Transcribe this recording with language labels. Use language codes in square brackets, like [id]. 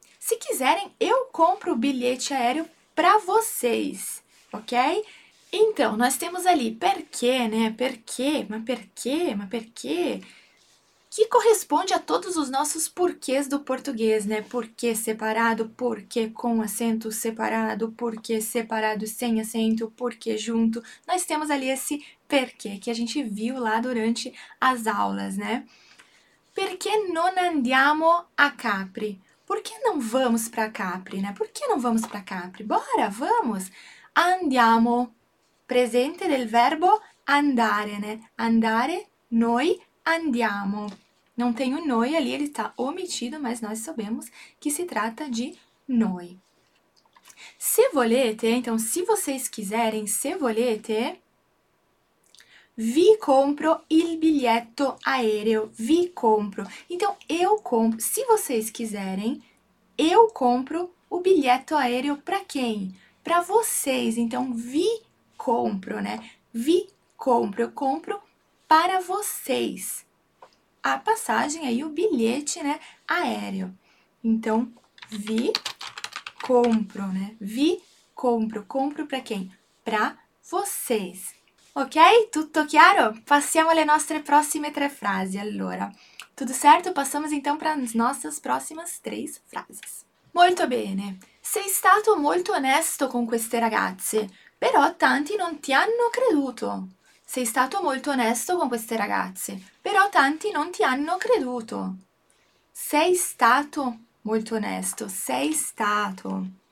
[pt] Se quiserem, eu compro o bilhete aereo para vocês, ok? Então, nós temos ali perché, né? [it] Perché, ma perché, ma perché? [pt] Que corresponde a todos os nossos porquês do português, né? Porquê separado, porquê com acento separado, porquê separado sem acento, porquê junto. Nós temos ali esse perché che a gente viu lá durante as aulas, né? [it] Perché non andiamo a Capri? [pt] Perché não vamos para Capri, né? Perché não vamos para Capri? Bora, vamos! [it] Andiamo. Presente del verbo andare, né? Andare, noi andiamo. [pt] Não tem o noi ali, ele está omitido, mas nós sabemos que se trata de noi. [it] Se volete, [pt] então, se vocês quiserem, [it] se volete, vi compro il biglietto aereo. Vi compro. [pt] Então, eu compro. Se vocês quiserem, eu compro o bilhete aéreo para quem? Para vocês. Então, [it] vi compro, [pt] né? [it] Vi compro. [pt] Eu compro para vocês a passagem aí, o bilhete, né? Aéreo. Então, [it] vi compro, [pt] né? [it] Vi compro. [pt] Compro para quem? Para vocês. Ok? [it] Tutto chiaro? Passiamo alle nostre prossime tre frasi, allora. [pt] Tudo certo? Passamos então para as nossas próximas três frases. [it] Molto bene, sei stato molto onesto con queste ragazze, però tanti non ti hanno creduto. Sei stato molto onesto con queste ragazze, però tanti non ti hanno creduto. Sei stato molto onesto, sei stato.